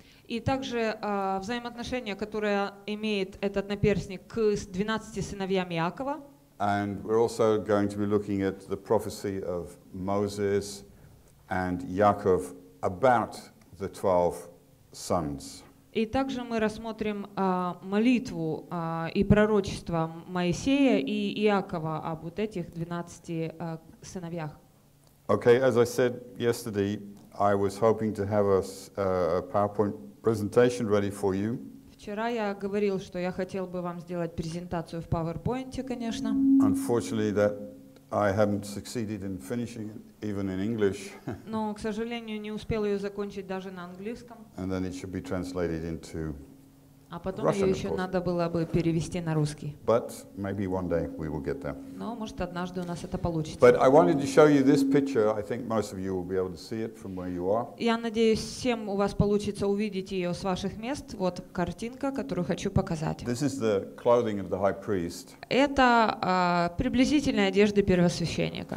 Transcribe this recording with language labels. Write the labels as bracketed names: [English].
[Russian] И также взаимоотношения, которые имеет этот наперсник к 12 сыновьям Иакова. [English] And we're also going to be looking at the prophecy of Moses and Yaakov about the 12 sons. [Russian] И также мы рассмотрим молитву и пророчество Моисея и Иакова об вот этих 12 сыновьях. [English] Okay, as I said yesterday, I was hoping to have a PowerPoint presentation ready for you. [Russian] Вчера я говорил, что я хотел бы вам сделать презентацию в PowerPoint, конечно. [English] Unfortunately, that I haven't succeeded in finishing it even in English. [Russian] Но, к сожалению, не успел ее закончить даже на английском. [English] And then it should be translated into Russian. [Russian] А потом ее еще надо было бы перевести на русский. [English] But maybe one day we will get there. [Russian] Но, может, однажды у нас это получится. [English] But I wanted to show you this picture. I think most of you will be able to see it from where you are. [Russian] Я надеюсь, всем у вас получится увидеть ее с ваших мест. Вот картинка, которую хочу показать. [English] This is the clothing of the high priest. [Russian] Это приблизительная одежда первосвященника.